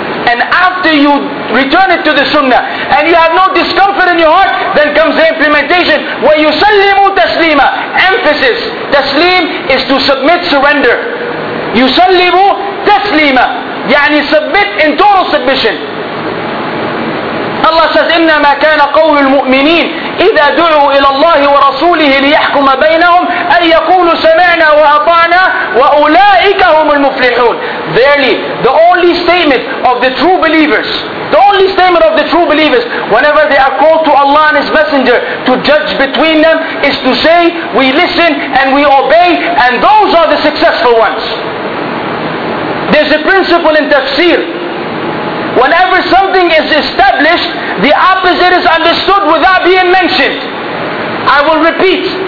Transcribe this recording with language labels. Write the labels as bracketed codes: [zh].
[en] And after you return it to the sunnah and you have no discomfort in your heart, then comes the implementation. [ar] وَيُسَلِّمُوا تَسْلِيمًا. [en] Emphasis. Taslim is to submit, surrender. [ar] يُسَلِّمُوا تَسْلِيمًا, يعني [en] submit in total submission. Allah says, [ar] إنما كان قول المؤمنين إذا دعوا إلى الله ورسوله ليحكم بينهم أن يقولوا سمعنا وأطعنا وأولئك هم المفلحون. [en] Verily, the only statement of the true believers, the only statement of the true believers, whenever they are called to Allah and His Messenger to judge between them, is to say, we listen and we obey, and those are the successful ones. There's a principle in tafsir. Whenever something is established, the opposite is understood without being mentioned. I will repeat.